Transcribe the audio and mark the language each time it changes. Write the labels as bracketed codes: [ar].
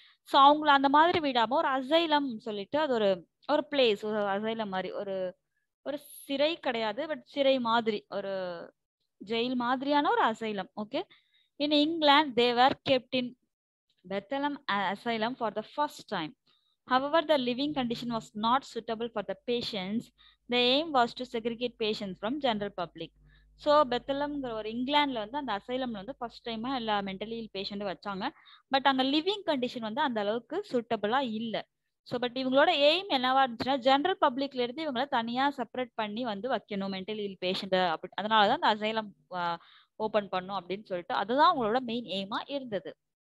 [ta] So அவங்கள அந்த மாதிரி விடாமல் ஒரு அசைலம் சொல்லிட்டு அது ஒரு ஒரு பிளேஸ் ஒரு அசைலம் மாதிரி ஒரு ஒரு சிறை கிடையாது பட் சிறை மாதிரி ஒரு ஜெயில் மாதிரியான ஒரு asylum. [en] Okay, in England they were kept in Bethlem asylum for the first time. However, the living condition was not suitable for the patients. The aim was to segregate patients from general public. [ta] So பெத்தலம்ங்கிற ஒரு இங்கிலாந்தில் வந்து அந்த அசைலம்ல வந்து first டைமாக எல்லா mentally இல் பேஷண்ட்டும் வச்சாங்க. But அங்கே living condition வந்து அந்த அளவுக்கு சூட்டபிளாக இல்லை. ஸோ பட் இவங்களோட எய்ம் என்னவா இருந்துச்சுன்னா ஜென்ரல் பப்ளிக்லேருந்து இவங்கள தனியாக செப்பரேட் பண்ணி வந்து வைக்கணும் மென்டலி இல் பேஷண்ட்டை. அப்படி அதனால தான் அந்த அசைலம் ஓப்பன் பண்ணும் அப்படின்னு சொல்லிட்டு அதுதான் அவங்களோட மெயின் எய்மாக இருந்தது.